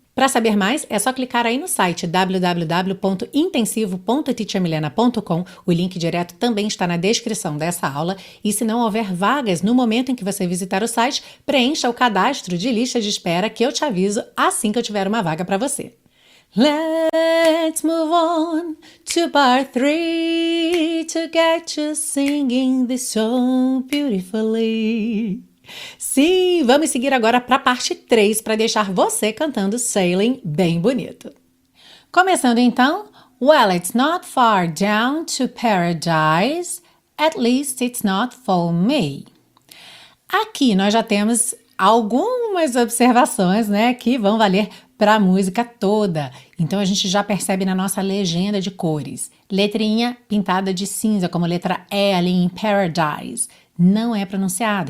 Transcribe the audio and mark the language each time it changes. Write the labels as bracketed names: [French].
[Portuguese] Para saber mais, é só clicar aí no site www.intensivo.teachermilena.com. O link direto também está na descrição dessa aula. E se não houver vagas no momento em que você visitar o site, preencha o cadastro de lista de espera que eu te aviso assim que eu tiver uma vaga para você. [English] Let's move on to part three to get you singing this song beautifully. [Portuguese] Sim, vamos seguir agora para a parte 3 para deixar você cantando Sailing bem bonito. [English] Começando então, well, it's not far down to paradise, at least it's not for me. [Portuguese] Aqui nós já temos algumas observações, né, que vão valer para a música toda. Então a gente já percebe na nossa legenda de cores, letrinha pintada de cinza, como letra L em Paradise, não é pronunciada.